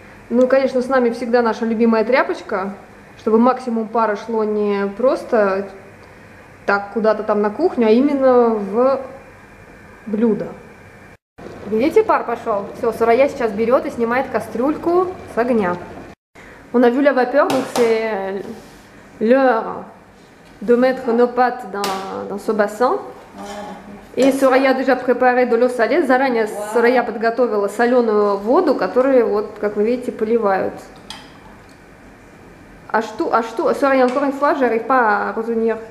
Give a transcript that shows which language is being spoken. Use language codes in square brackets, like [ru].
[ru] Ну и, конечно, с нами всегда наша любимая тряпочка, чтобы максимум пара шло не просто так куда-то там на кухню, а именно в блюдо. Видите, пар пошел? Все, Сурая сейчас берет и снимает кастрюльку с огня. [fr] On a vu la vapeur, donc c'est l'heure de mettre nos pâtes dans ce bassin. И Сурая déjà préparé de l'eau salée. [ru] Заранее Сурая подготовила соленую воду, которую, вот, как вы видите, поливают. А что? [fr] Сурая, encore une fois, j'arrive pas à retenir.